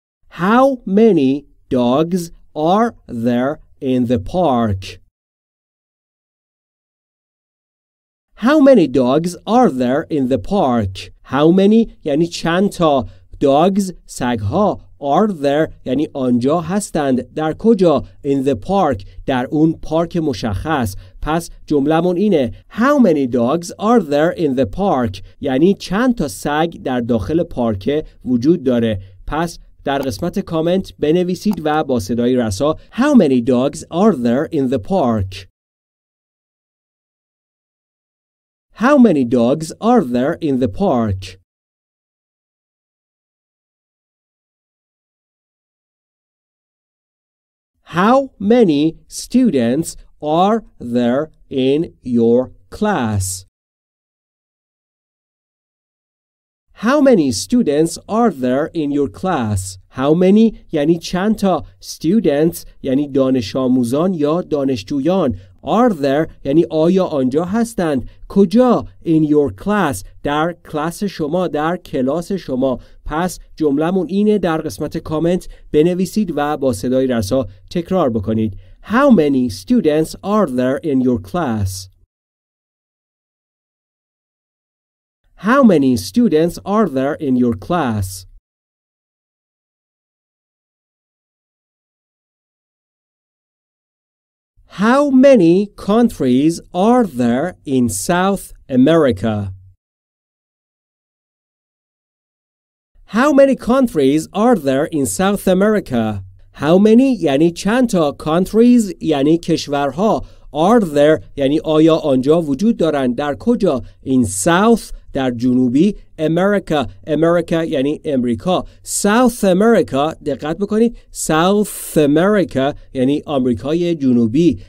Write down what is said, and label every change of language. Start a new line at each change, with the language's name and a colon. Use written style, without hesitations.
English: How many dogs are there in the park? How many dogs are there in the park? How many
Persian: یعنی چند تا، dogs سگها،
English: are there
Persian: یعنی آنجا هستند، در کجا؟
English: In the park،
Persian: در اون پارک مشخص. پس جملمون اینه
English: How many dogs are there in the park؟
Persian: یعنی چند تا سگ در داخل پارک وجود داره. پس در قسمت کامنت بنویسید و با صدای رسا
English: How many dogs are there in the park؟ How many dogs are there in the park? How many students are there in your class? How many students are there in your class? How many
Persian: یعنی چند تا، students یعنی دانش آموزان یا دانشجویان،
English: are there
Persian: یعنی آیا آنجا هستند، کجا؟
English: In your class،
Persian: در کلاس شما، در کلاس شما. پس جملمون اینه، در قسمت کامنت بنویسید و با صدای رسا تکرار بکنید
English: How many students are there in your class؟ How many students are there in your class? How many countries are there in South America? How many countries are there in South America? How many
Persian: یعنی چند تا، countries یعنی کشورها،
English: are there
Persian: یعنی آیا آنجا وجود دارند، در کجا؟
English: In South،
Persian: در جنوبی امریکا، امریکا یعنی امریکا، ساوث امریکا، دقت بکنید، ساوث امریکا یعنی امریکای جنوبی.